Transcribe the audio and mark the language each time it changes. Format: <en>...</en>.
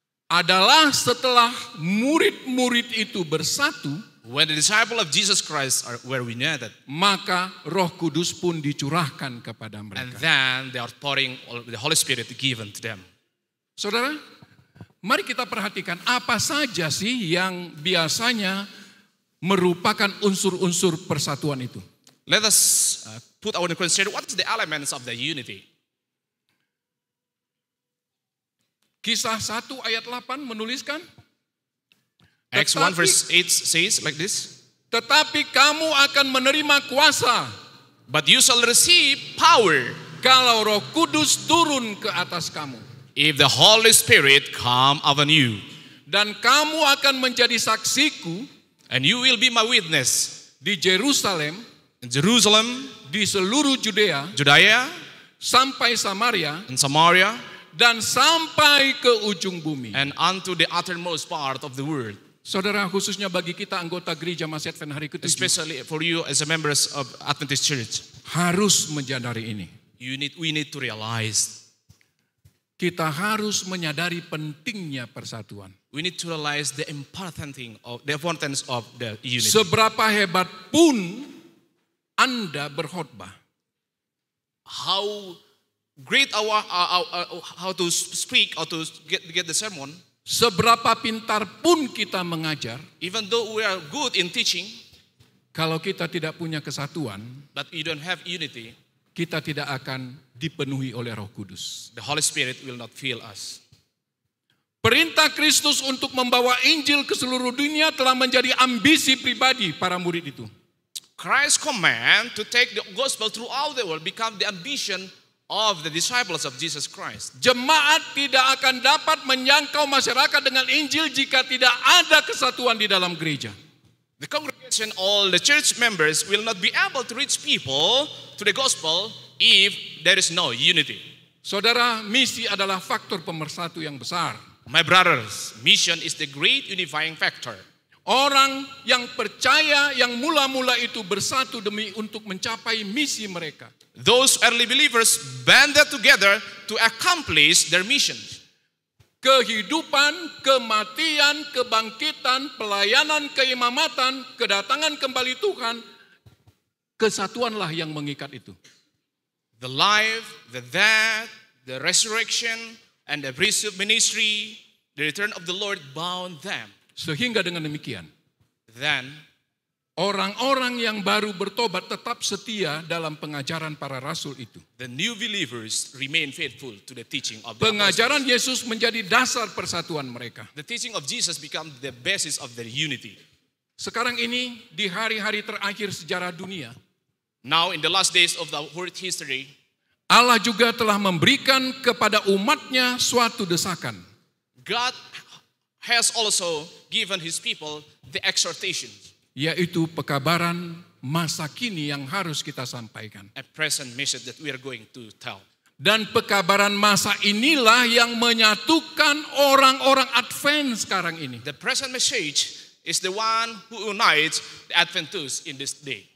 <id>Adalah setelah murid-murid itu bersatu.</id> <en>When the disciples of Jesus Christ were united.</en> <id>Maka Roh Kudus pun dicurahkan kepada mereka.</id> <en>And then they are pouring the Holy Spirit given to them.</en> <id>Saudara, mari kita perhatikan apa saja sih yang biasanya merupakan unsur-unsur persatuan itu.</id> <en>Let us put our consider what is the elements of the unity.</en> <id>Kisah 1 ayat 8 menuliskan.</id> <en>Acts 1 verse 8 says like this.</en> <id>Tetapi kamu akan menerima kuasa.</id> <en>But you shall receive power.</en> <id>Kalau Roh Kudus turun ke atas kamu.</id> <en>If the Holy Spirit come upon you.</en> <id>Dan kamu akan menjadi saksiku.</id> <en>And you will be my witness.</en> <id>Di Jerusalem.</id> <en>Jerusalem,</en> <id>di seluruh Judea,</id> <en>Judea,</en> <id>sampai Samaria,</id> <en>in Samaria,</en> <id>dan sampai ke ujung bumi,</id> <en>and unto the uttermost part of the world.</en> <id>Saudara, khususnya bagi kita anggota gereja Mas Advent hari ketujuh,</id> <en>especially for you as a members of Adventist Church,</en> <id>harus menyadari ini.</id> <en>We need to realize.</en> <id>Kita harus menyadari pentingnya persatuan.</id> <en>We need to realize the important thing of the importance of the unity.</en> <id>Seberapa hebat pun Anda berkhotbah.</id> <en>How great our how to speak or to get the sermon.</en> <id>Seberapa pintar pun kita mengajar,</id> <en>even though we are good in teaching,</en> <id>kalau kita tidak punya kesatuan,</id> <en>but you don't have unity,</en> <id>kita tidak akan dipenuhi oleh Roh Kudus.</id> <en>The Holy Spirit will not fill us.</en> <id>Perintah Kristus untuk membawa Injil ke seluruh dunia telah menjadi ambisi pribadi para murid itu.</id> <en>Christ's command to take the gospel throughout the world become the ambition of the disciples of Jesus Christ.</en> <id>Jemaat tidak akan dapat menjangkau masyarakat dengan Injil jika tidak ada kesatuan di dalam gereja.</id> <en>The congregation, all the church members will not be able to reach people to the gospel if there is no unity.</en> <id>Saudara, misi adalah faktor pemersatu yang besar.</id> <en>My brothers, mission is the great unifying factor.</en> <id>Orang yang percaya yang mula-mula itu bersatu demi untuk mencapai misi mereka.</id> <en>Those early believers banded together to accomplish their mission.</en> <id>Kehidupan, kematian, kebangkitan, pelayanan, keimamatan, kedatangan kembali Tuhan, kesatuanlah yang mengikat itu.</id> <en>The life, the death, the resurrection, and the priesthood of ministry, the return of the Lord bound them.</en> <id>Sehingga dengan demikian,</id> <en>then,</en> <id>orang-orang yang baru bertobat tetap setia dalam pengajaran para rasul itu.</id> <en>The new believers remain faithful to the teaching of the</en> <id>pengajaran</id> <en>apostles.</en> <id>Yesus menjadi dasar persatuan mereka.</id> <en>The teaching of Jesus become the basis of their unity.</en> <id>Sekarang ini di hari-hari terakhir sejarah dunia,</id> <en>now in the last days of the world history,</en> <id>Allah juga telah memberikan kepada umatnya suatu desakan.</id> <en>God has also given his people the exhortation,</en> <id>yaitu pekabaran masa kini yang harus kita sampaikan.</id> <en>A present message that we are going to tell.</en> <id>Dan pekabaran masa inilah yang menyatukan orang-orang Advent sekarang ini.</id> <en>The present message is the one who unites the Adventists in this day.</en>